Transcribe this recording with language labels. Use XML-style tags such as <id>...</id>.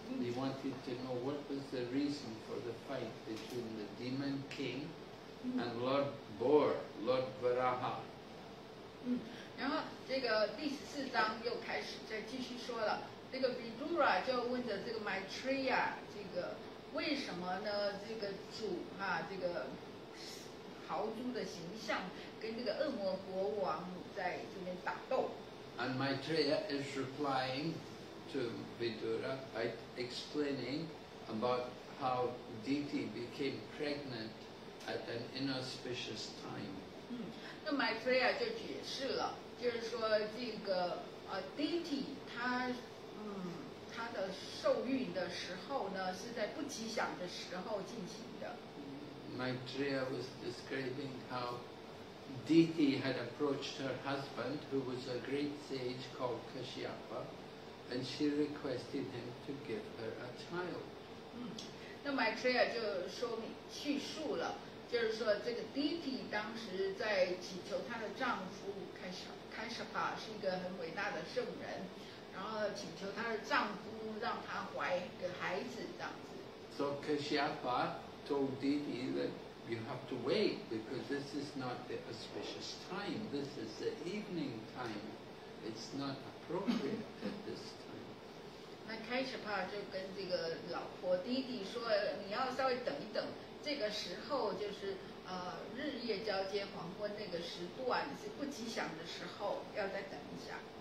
<en>He wanted to know what was the reason for the fight between the demon king and Lord Boar, Lord Varaha.</en> <zh>然后这个第四章又开始再继续说了。这个 Vidura 就问着这个 Maitreya， 这个为什么呢？这个主哈、啊，这个豪猪的形象跟这个恶魔国王在这边打斗。</zh> <en>And Maitreya is replying to Vidura by explaining about how Diti became pregnant at an inauspicious time。</en> <zh>那 Maitreya 就解释了，就是说这个Diti 他。他的受孕的时候呢，是在不吉祥的时候进行的。</zh> <en>Maitreya was describing how Diti had approached her husband, who was a great sage called Kashyapa, and she requested him to give her a child.</en> <zh>那 Maitreya 就说明叙述了，就是说这个 Diti 当时在祈求她的丈夫 Kashyapa 是一个很伟大的圣人。然后请求她的丈夫让她怀个孩子，这样子。</zh> <en>So Kashyapa told Diti that you have to wait because this is not the auspicious time. This is the evening time. It's not appropriate at this time.</en> <zh>那 Kashyapa 就跟这个老婆 Diti 说，你要稍微等一等，这个时候就是日夜交接黄昏那个时段是不吉祥的时候，要再等一下。</zh>